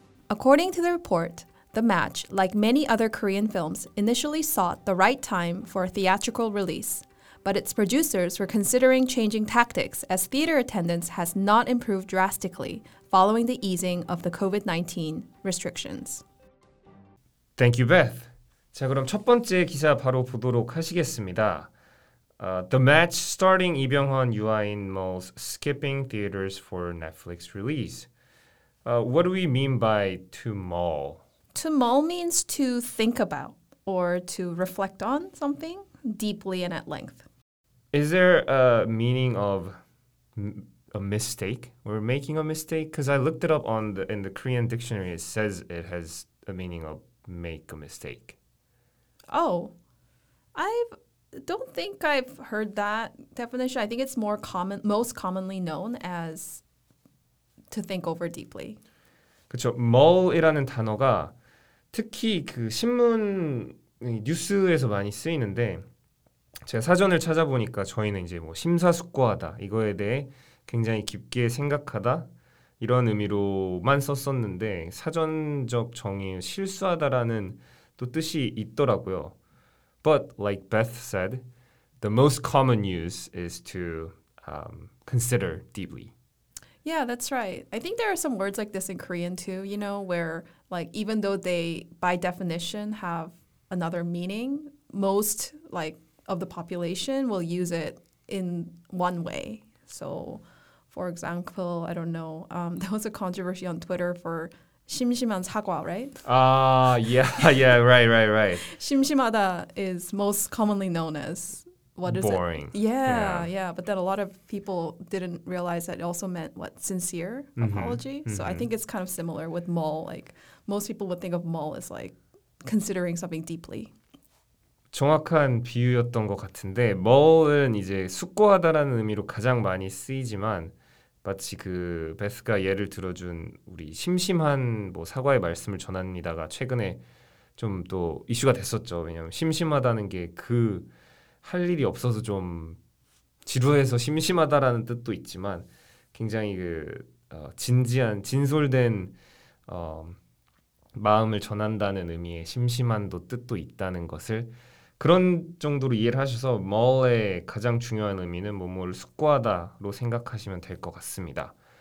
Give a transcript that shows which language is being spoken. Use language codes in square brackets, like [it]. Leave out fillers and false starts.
[en] According to the report, The Match, like many other Korean films, initially sought the right time for a theatrical release, but its producers were considering changing tactics as theater attendance has not improved drastically following the easing of the COVID-19 restrictions. Thank you, Beth. [ko] 자, 그럼 첫 번째 기사 바로 보도록 하시겠습니다. [en] The Match starring 이병헌, 유아인, mulls skipping theaters for Netflix release. What do we mean by to mull? To mull means to think about or to reflect on something deeply and at length. Is there a meaning of a mistake or making a mistake? Because I looked it up in the Korean dictionary. It says it has a meaning of make a mistake. Oh, I don't think I've heard that definition. I think it's most commonly known as to think over deeply. [ko] 그렇죠. mull이라는 단어가 특히 그 신문 뉴스에서 많이 쓰이는데 제가 사전을 찾아보니까 저희는 이제 뭐 심사숙고하다 이거에 대해 굉장히 깊게 생각하다 이런 의미로만 썼었는데 사전적 정의 실수하다라는 또 뜻이 있더라고요. [en] But like Beth said, the most common use is to consider deeply. Yeah, that's right. I think there are some words like this in Korean too, you know, where like even though they by definition have another meaning, most like of the population will use it in one way. So for example, I don't know, there was a controversy on Twitter for [ko] 심심한 사과, [en] right? Yeah, right. 심심하다 is most commonly known as what is boring. It? Yeah, yeah, yeah. But then a lot of people didn't realize that it also meant, what, sincere apology? Mm-hmm. So mm-hmm. I think it's kind of similar with mol. Like, most people would think of mol as, like, considering something deeply. [ko] 정확한 비유였던 것 같은데 mol은 이제 숙고하다라는 의미로 가장 많이 쓰이지만 마치 그 베스가 예를 들어준 우리 심심한 뭐 사과의 말씀을 전합니다가 최근에 좀 또 이슈가 됐었죠. 왜냐면 심심하다는 게 그 할 일이 없어서 좀 지루해서 심심하다라는 뜻도 있지만 굉장히 그 진지한 진솔된 마음을 전한다는 의미의 심심한도 뜻도 있다는 것을 그런 정도로 이해를 하셔서 mull의 가장 중요한 의미는 뭐뭐를 숙고하다로 생각하시면 될 것 같습니다.